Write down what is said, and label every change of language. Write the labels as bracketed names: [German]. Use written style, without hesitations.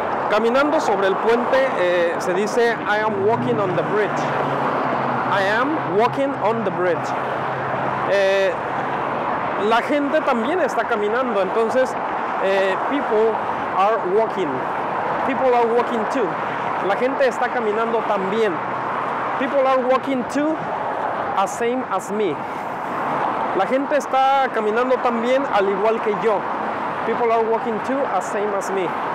[Spanish] Caminando sobre el puente, se dice [English] I am walking on the bridge. I am walking on the bridge. [Spanish] La gente también está caminando, entonces [English] people are walking. People are walking too. [Spanish] La gente está caminando también. [English] People are walking too, the same as me. [Spanish] La gente está caminando también al igual que yo. [English] People are walking too, the same as me.